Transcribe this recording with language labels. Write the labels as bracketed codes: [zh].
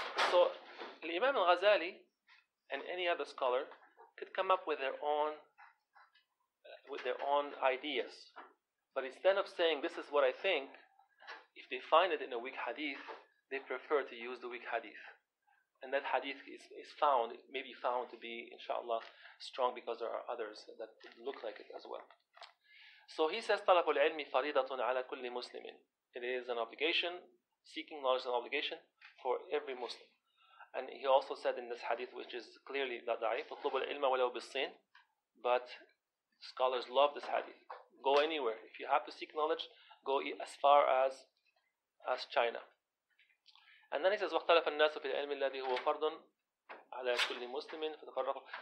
[en] So, Imam al-Ghazali and any other scholar could come up with their own ideas. But instead of saying, this is what I think, if they find it in a weak hadith, they prefer to use the weak hadith. And that hadith is found, maybe found to be, inshallah, strong because there are others that look like it as well. So he says, [ar] طَلَبُ الْعِلْمِ فَرِيدَةٌ عَلَى كُلِّ مُسْلِمٍ. [en] It is an obligation, seeking knowledge is an obligation for every Muslim. And he also said in this hadith, which is clearly the da'if, [ar] اطلب العلم ولو بالصين. [en] But scholars love this hadith. Go anywhere. If you have to seek knowledge, go as far as China. And then he says, [ar] واختلف الناس في العلم الذي هو فرض على كل مسلم فتفرقوا.